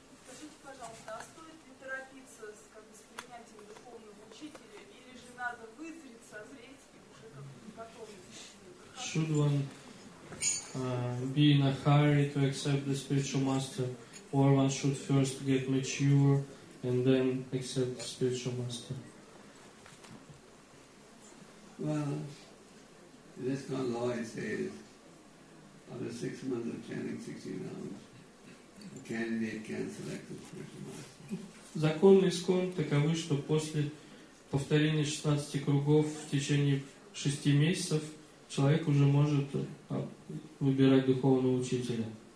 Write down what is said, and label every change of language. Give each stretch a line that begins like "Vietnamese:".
Russian: Скажите, пожалуйста, а стоит ли торопиться с, как бы, с принятием духовного учителя, или же надо вызреть, созреть и уже как-то готовить?
English: Should one be in a hurry to accept the spiritual master, or one should first get mature and then accept the spiritual master? Well, in this kind of law it says after 6 months of chanting 16 hours a candidate can select the spiritual master.
Russian: Закон ИСККОН таковы, что после повторения 16 кругов в течение 6 месяцев человек уже может выбирать духовного учителя.